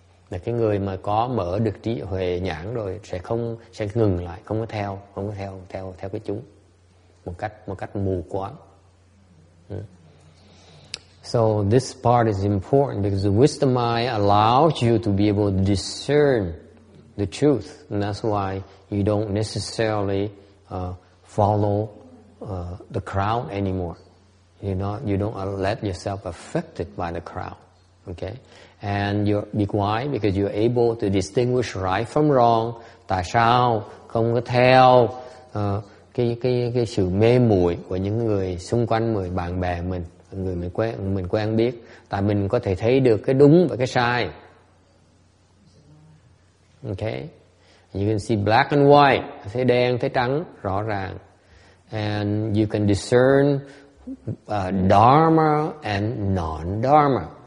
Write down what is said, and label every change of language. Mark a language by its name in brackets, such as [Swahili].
[Vietnamese] Là cái người mà có mở được trí huệ nhãn rồi sẽ ngừng lại, không có theo cái chúng một cách mù quáng. [English] So this part is important because the wisdom eye allows you to be able to discern the truth, and that's why you don't necessarily follow the crowd anymore. You don't let yourself affected by the crowd. Okay. And you're why? Because you're able to distinguish right from wrong. [Vietnamese] Tại sao không có theo cái sự mê muội của những người xung quanh, người bạn bè mình, người mình quen biết? Tại mình có thể thấy được cái đúng và cái sai. [English] Okay, you can see black and white, [Vietnamese] thấy đen thấy trắng rõ ràng, [English] and you can discern dharma and non-dharma.